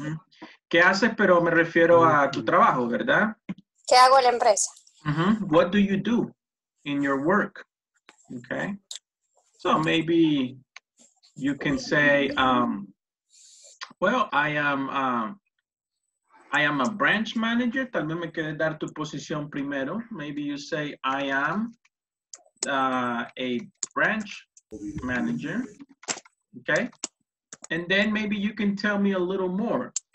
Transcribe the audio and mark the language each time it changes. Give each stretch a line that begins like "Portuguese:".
Spanish: ¿Qué haces? ¿Qué haces? Pero me refiero a tu trabajo, ¿verdad? ¿Qué hago en la empresa?
English: Mm-hmm. What do you do in your work? Okay. So maybe you can say, I am a branch manager.
Spanish: Tal vez me quieres dar tu posición primero.
English: Maybe you say, I am a branch manager. Okay. And then maybe you can tell me a little more.